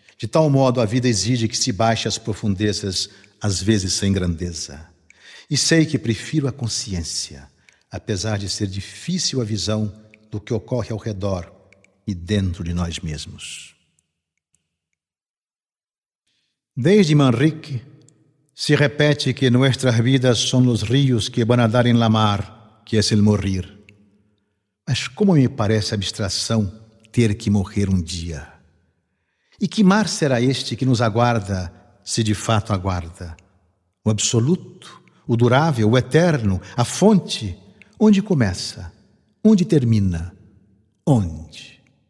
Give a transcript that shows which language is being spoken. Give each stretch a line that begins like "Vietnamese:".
Portuguese: De tal modo a vida exige que se baixe às profundezas, às vezes sem grandeza. E sei que prefiro a consciência, apesar de ser difícil a visão do que ocorre ao redor e dentro de nós mesmos.
Spanish: Desde Manrique,
Portuguese: se repete que
Spanish: nuestras vidas son los ríos que van a dar en la mar, que es el morir.
Portuguese: Mas como me parece abstração ter que morrer um dia? E que mar será este que nos aguarda, se de fato aguarda? O absoluto? O durável? O eterno? A fonte? Onde começa? Onde termina? Onde?